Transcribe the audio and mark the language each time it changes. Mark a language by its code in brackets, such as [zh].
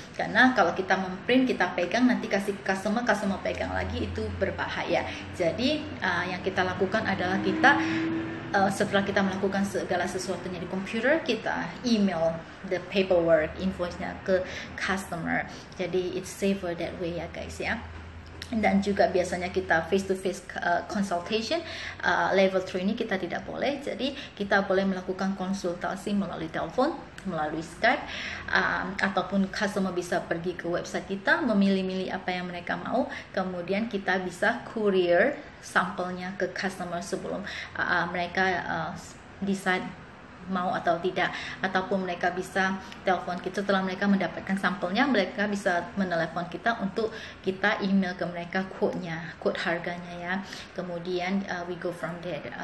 [id] Karena kalau kita memprint, kita pegang, nanti kasih customer, customer pegang lagi, itu berbahaya. Jadi, yang kita lakukan adalah kita setelah kita melakukan segala sesuatunya di komputer, kita email [en] the paperwork [id] invoice-nya ke customer. Jadi [en] it's safer that way ya guys ya. [id] Dan juga biasanya kita face to face consultation level 3 ini kita tidak boleh. Jadi kita boleh melakukan konsultasi melalui telepon, melalui Skype, ataupun customer bisa pergi ke website kita, memilih-milih apa yang mereka mau, kemudian kita bisa courier sampelnya ke customer sebelum mereka [en] decide [id] mau atau tidak, ataupun mereka bisa telepon kita setelah mereka mendapatkan sampelnya, mereka bisa menelepon kita untuk kita email ke mereka quote-nya, quote harganya ya. [en] Kemudian we go from there.